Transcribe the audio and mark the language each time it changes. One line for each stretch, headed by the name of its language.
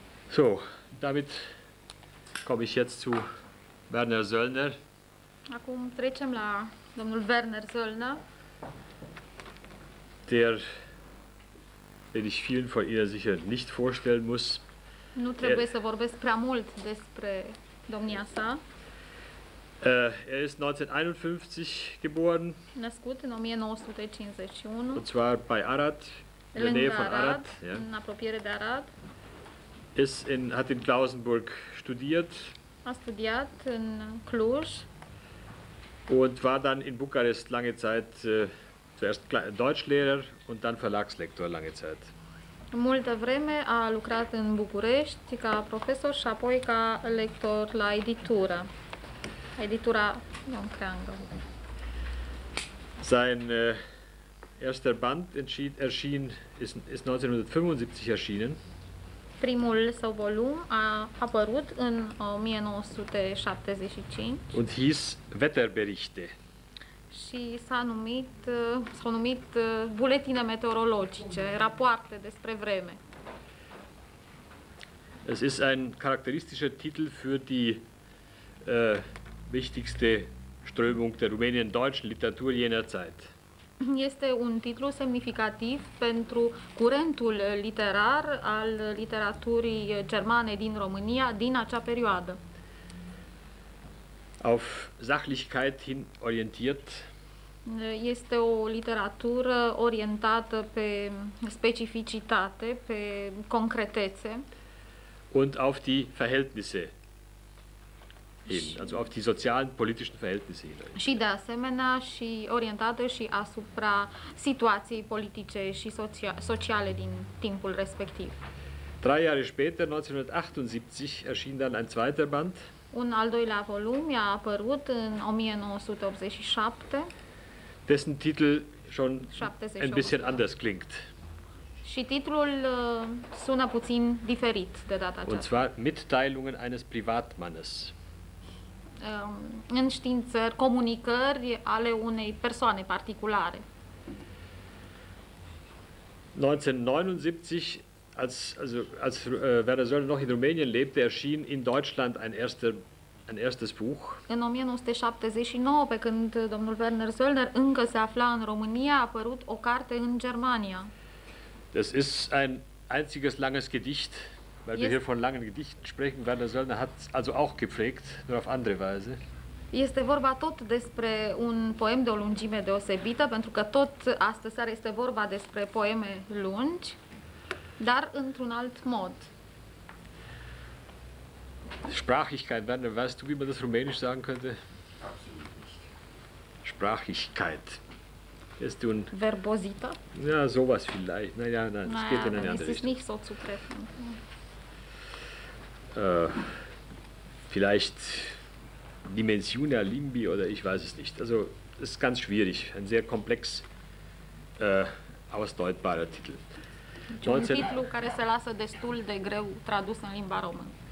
German: So, damit komme ich jetzt zu Werner Söllner.
Romanian: Acum trecem la domnul Werner Söllner.
German: Der, den ich vielen von Ihnen sicher nicht vorstellen muss.
Romanian: Nu trebuie să vorbesc prea mult despre domnia sa.
German: Er ist 1951 geboren.
Romanian: Născut în 1951.
German: Und zwar bei Arad, in der Nähe von Arad.
Romanian: În apropiere de Arad.
German: Hat in Klausenburg studiert.
Romanian: A studiat în Cluj.
German: Und war dann in Bukarest lange Zeit zuerst Deutschlehrer und dann Verlagslektor lange Zeit.
Romanian: Multă vreme a lucrat în București ca profesor și apoi ca lector la editură. Editura Ion Creangă.
German: Sein erster Band ist 1975 erschienen.
Romanian: Primul său volum a apărut în 1975.
German: Und hieß Wetterberichte.
Romanian: Și s-au numit buletine meteorologice, rapoarte despre vreme.
German: Es ist ein charakteristischer Titel für die wichtigste Strömung der rumänien-deutschen Literatur jener Zeit.
Romanian: Este un titlu semnificativ pentru curentul literar al literaturii germane din România din acea perioadă.
German: Auf Sachlichkeit hin orientiert.
Romanian: Este o literatură orientată pe specificitate, pe concretețe.
German: Und auf die Verhältnisse hin, also auf die sozialen, politischen Verhältnisse hin.
Romanian: Și de asemenea și orientată și asupra situației politice și sociale din timpul respectiv.
German: Drei Jahre später, 1978, erschien dann ein zweiter Band.
Romanian: Un al doilea volum a apărut în 1987.
German: Dessen Titel schon ein bisschen anders klingt.
Romanian: Și titlul sună puțin diferit de data aceasta.
German: Und zwar Mitteilungen eines Privatmannes.
Romanian: Înștiințări, comunicări ale unei persoane particulare.
German: 1979, als Werner Söllner noch in Rumänien lebte, erschien in Deutschland ein erstes Buch.
Romanian: În 1979, pe când domnul Werner Söllner încă se afla în România, a apărut o carte în Germania.
German: Das ist ein einziges langes Gedicht, weil wir hier von langen Gedichten sprechen. Werner Söllner hat also auch gepflegt, nur auf andere Weise.
Romanian: Este vorba tot despre un poem de o lungime deosebită, pentru că tot astăzi seara este vorba despre poeme lungi, dar într-un alt mod.
German: Sprachigkeit, Werner, weißt du, wie man das Rumänisch sagen könnte?
Romanian: Absolut nicht.
German: Sprachigkeit. Ist du ein...
Romanian: Verbosita?
German: Ja, sowas vielleicht. Naja, nein, das geht in eine andere Richtung. Es ist nicht so zu treffen. Vielleicht
Romanian: Dimensiona Limbi
German: oder ich weiß es nicht. Also, es ist ganz schwierig. Ein sehr komplex ausdeutbarer Titel. Ein Titel, der
Romanian: se lasă destul de greu tradus în limba română.